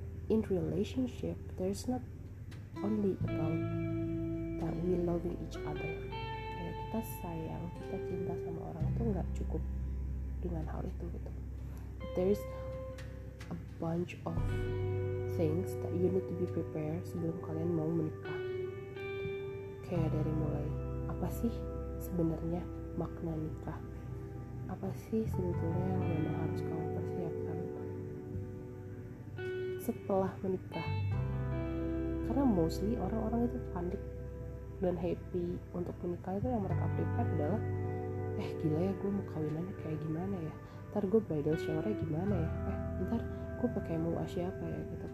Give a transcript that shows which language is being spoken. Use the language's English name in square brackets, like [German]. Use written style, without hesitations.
[English] In relationship there's not only about that we loving each other. [Indonesian] Kayak kita sayang, kita cinta sama orang itu gak cukup dengan hal itu gitu. [English] There is a bunch of things that you need to be prepared [Indonesian] sebelum kalian mau menikah. Kayak dari mulai apa sih sebenarnya makna nikah, apa sih sebetulnya yang memang harus kamu persiapkan setelah menikah. Karena mostly orang-orang itu panik dan happy untuk menikah, itu yang mereka prepare adalah, eh gila ya gue mau kawinannya kayak gimana ya, ntar gue bridal showernya gimana ya, eh ntar gue pakai mau siapa ya gitu.